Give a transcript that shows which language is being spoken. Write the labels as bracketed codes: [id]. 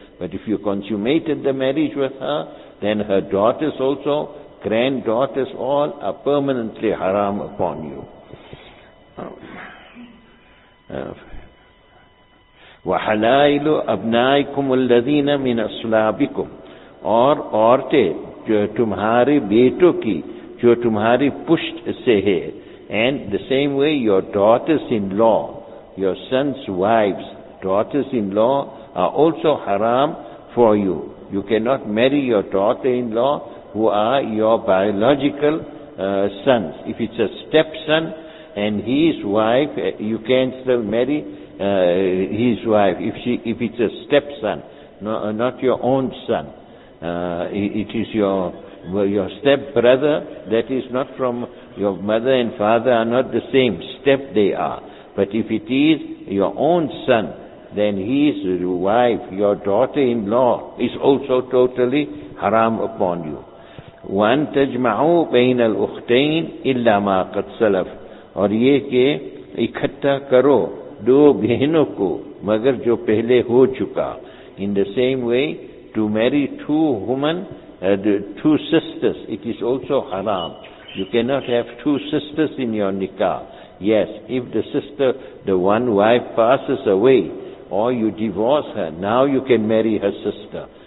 [en] But if you consummated the marriage with her, then her daughters also, granddaughters all, are permanently haram upon you. [ar] وَحَلَائِلُ أَبْنَائِكُمُ الَّذِينَ مِنْ أَصْلَابِكُمْ, [ur] اور عورتیں جو تمہارے بیٹوں کی جو تمہاری پشت سے ہے, [en] and the same way your daughters-in-law, your sons' wives, daughters-in-law are also haram for you. You cannot marry your daughter-in-law who are your biological sons. If it's a stepson and his wife, you can still marry his wife. If it's a stepson, not your own son, it is your stepbrother, that is not from your mother and father, are not the same step they are. But if it is your own son, then his wife, your daughter-in-law, is also totally haram upon you. [ar] وَأَن تَجْمَعُوا بَيْنَ الْأُخْتَيْنِ إِلَّا مَا قَدْ سَلَفْ, [ur] اور یہ کہ اکٹھا کرو دو بہنوں کو مگر جو پہلے ہو چکا. [en] In the same way, to marry two sisters, it is also haram. You cannot have two sisters in your nikah. Yes, if the sister, the one wife passes away, or you divorce her, now you can marry her sister.